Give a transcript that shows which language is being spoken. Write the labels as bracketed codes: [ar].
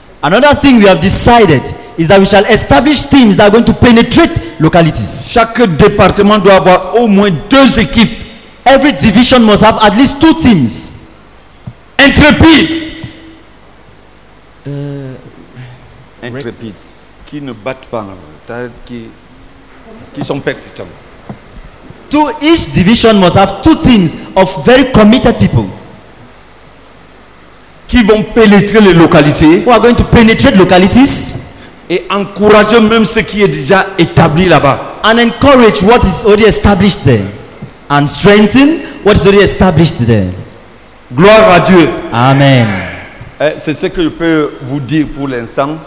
[en] Another thing we have decided is that we shall establish teams that are going to penetrate localities. [fr] Chaque département doit avoir au moins deux équipes. [en] Every division must have at least two teams. [fr] Intrépide. Intrépides. Qui ne battent pas. Qui sont percutants. [en] To each division must have two teams of very committed people [fr] qui vont pénétrer les localités, [en] who are going to penetrate localities, [fr] et encourager même ce qui est déjà établi là-bas, [en] and encourage what is already established there, and strengthen what is already established there. [fr] Gloire à Dieu. Amen. C'est ce que je peux vous dire pour l'instant.